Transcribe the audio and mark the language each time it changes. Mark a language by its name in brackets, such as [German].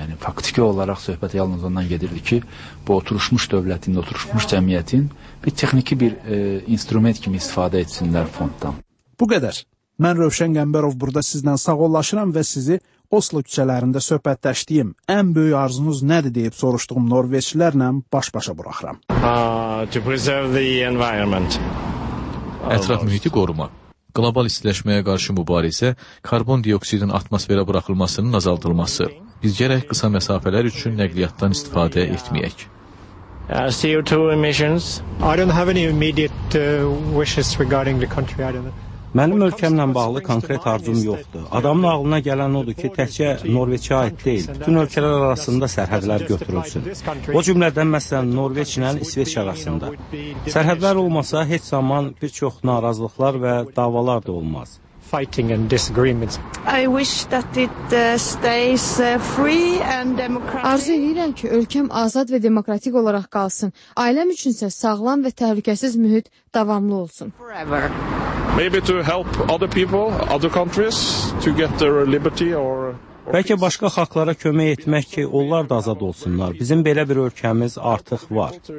[Azerbaijani] Yəni, faktiki olaraq söhbət yalnız ondan gedirdi ki, bu oturuşmuş dövlətin, oturuşmuş cəmiyyətin bir texniki bir instrument kimi istifadə etsinlər fonddan. Bu qədər. Mən Rövşən Qəmbərov burada sizdən sağollaşıram və sizi Oslo küçələrində söhbətləşdiyim ən böyük arzunuz nədir deyib soruşduğum norveçlərlə baş-başa buraxıram. [English] To preserve the environment. [Azerbaijani] Ətraf mühiti qoruma. Qlobal istiləşməyə qarşı mübarizə, karbon dioksidin atmosferə buraxılmasının azaldılması. Biz gərək qısa məsafələr üçün nəqliyyatdan istifadə etməyək. [English] CO2 emissions. I don't have any immediate wishes regarding the country. [Azerbaijani] Mənim ölkəmlə bağlı konkret arzum yoxdur. Adamın ağlına gələn odur ki, təkcə Norveçə aid deyil, bütün ölkələr arasında sərhədlər götürülsün. O cümlədən məsələn Norveç ilə İsveç arasında. Sərhədlər olmasa heç zaman bir çox narazılıqlar və davalar da olmaz. [English] Fighting and disagreements. I wish that it stays free and democratic. [Azerbaijani] Arzu edirəm ki, ölkəm azad və demokratik olaraq qalsın. Ailəm üçünsə sağlam və təhlükəsiz mühit davamlı olsun. [English] Forever. Maybe to help other people, other countries to get their liberty or [Azerbaijani] bəlkə başqa xalqlara kömək etmək ki, onlar da azad olsunlar. Bizim belə bir ölkəmiz artıq var.